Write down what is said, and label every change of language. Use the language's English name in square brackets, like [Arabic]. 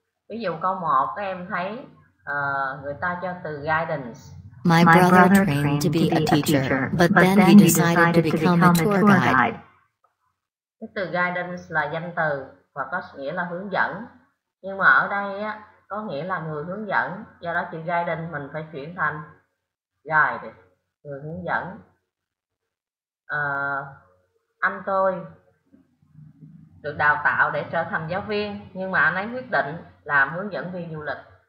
[Vietnamese] Ví dụ câu 1, các em thấy người ta cho từ guidance. [English] My brother trained to be a teacher, but then he decided to become a tour guide. [Vietnamese] Cái từ guidance là danh từ và có nghĩa là hướng dẫn. Nhưng mà ở đây á, có nghĩa là người hướng dẫn, do đó chữ guiding mình phải chuyển thành guide, người hướng dẫn. Anh tôi được đào tạo để trở thành giáo viên, nhưng mà anh ấy quyết định làm hướng dẫn viên du lịch.